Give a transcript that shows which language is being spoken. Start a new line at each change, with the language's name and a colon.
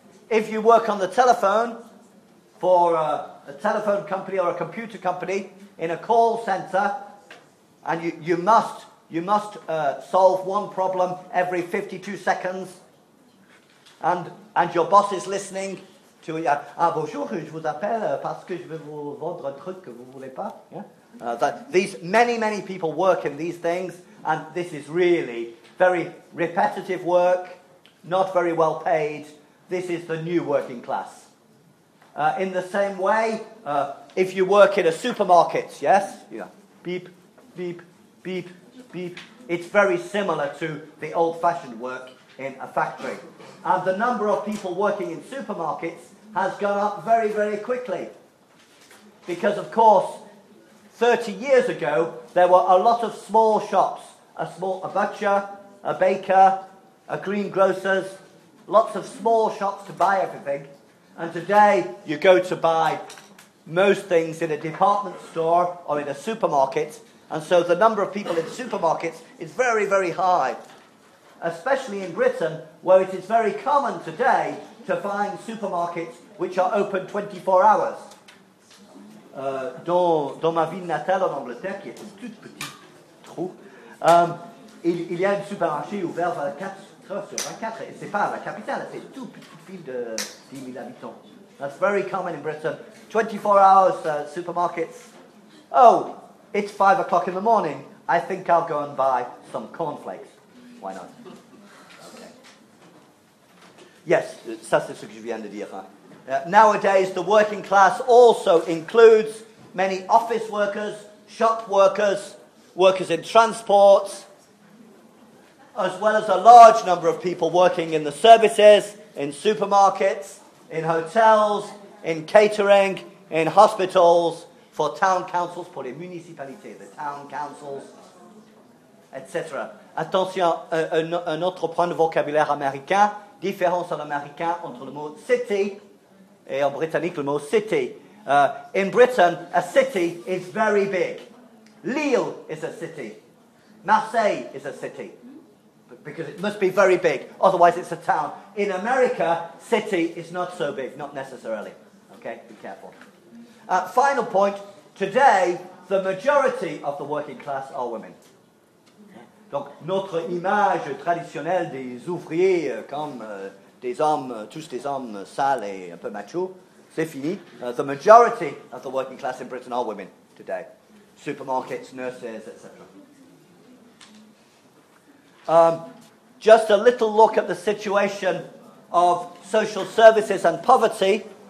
English: If you work on the telephone for a telephone company or a computer company in a call centre, and you must solve one problem every 52 seconds, and your boss is listening to you.
French: Ah, bonjour, je vous appelle parce que je vais vous vendre un truc que vous voulez pas.
English: Yeah? That these many, many people work in these things, and this is really very repetitive work, not very well paid. This is the new working class. In the same way, if you work in a supermarket, yes? Yeah. Beep, beep, beep, beep. It's very similar to the old-fashioned work in a factory. And the number of people working in supermarkets has gone up very, very quickly. Because, of course, 30 years ago, there were a lot of small shops, a butcher, a baker, a greengrocer's, lots of small shops to buy everything. And today, you go to buy most things in a department store or in a supermarket. And so the number of people in supermarkets is very, very high. Especially in Britain, where it is very common today to find supermarkets which are open 24 hours.
French: Dans ma ville natale en Angleterre, qui est un tout petit trou, il y a un supermarché ouvert 24, 23 sur 24, et c'est pas la capitale, c'est tout petit ville de 10 000 habitants.
English: That's very common in Britain. 24 hours supermarkets. Oh, it's 5 o'clock in the morning. I think I'll go and buy some cornflakes. Why not? Okay.
French: Yes, ça c'est ce que je viens de dire. Hein?
English: Nowadays, the working class also includes many office workers, shop workers, workers in transport, as well as a large number of people working in the services, in supermarkets, in hotels, in catering, in hospitals, for town councils,
French: pour les municipalités,
English: the town councils, etc.
French: Attention, un autre point de vocabulaire américain, différence en américain entre le mot city et en britannique le mot city.
English: In Britain, a city is very big. Lille is a city. Marseille is a city. Because it must be very big, otherwise it's a town. In America, city is not so big, not necessarily. Okay, be careful. Final point, today, the majority of the working class are women.
French: Donc, notre image traditionnelle des ouvriers comme des hommes, tous des hommes sales et un peu machos, c'est fini.
English: The majority of the working class in Britain are women today. Supermarkets, nurses, etc. Just a little look at the situation of social services and poverty.